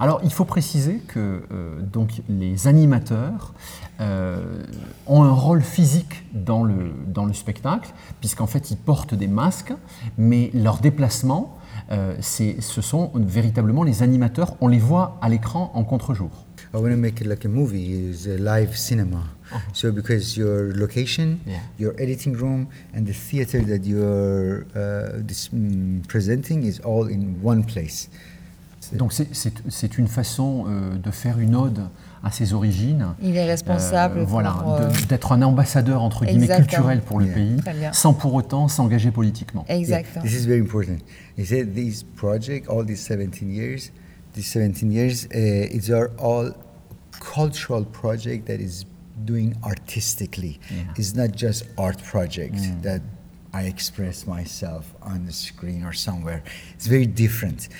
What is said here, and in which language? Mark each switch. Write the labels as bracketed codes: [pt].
[fr] Alors, il faut préciser que donc les animateurs ont un rôle physique dans le spectacle, puisqu'en fait, ils portent des masques, mais leurs déplacements, ce sont véritablement les animateurs. On les voit à l'écran en contre-jour. [en] I want to make it like a movie, it's a live cinema. Uh-huh. So because your location, your editing room, and the theater that you're presenting is all in one place. [fr] Donc c'est une façon de faire une ode à ses origines. Il est responsable d'être un ambassadeur entre guillemets culturel pour le pays, sans pour autant s'engager politiquement. Exactement. [en] Yeah. This is very important. Is it this project, all these 17 years, it's all cultural project that is doing artistically. Yeah. It's not just art project that I express myself on the screen or somewhere. It's very different.